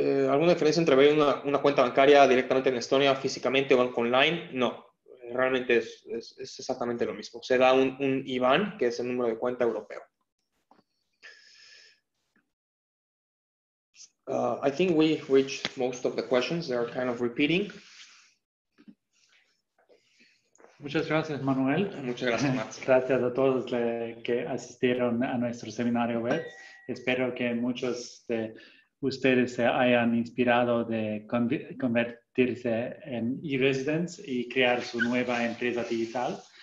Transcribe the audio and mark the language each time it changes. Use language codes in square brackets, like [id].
[es] ¿Alguna diferencia entre abrir una cuenta bancaria directamente en Estonia, físicamente o banco online? No. Realmente es exactamente lo mismo. Se da un IBAN, que es el número de cuenta europeo. [en] I think we reached most of the questions. They are kind of repeating. [es] Muchas gracias, Manuel. Muchas gracias, Max. Gracias a todos que asistieron a nuestro seminario web. Espero que muchos de ustedes se hayan inspirado de convertirse en e-residents y crear su nueva empresa digital.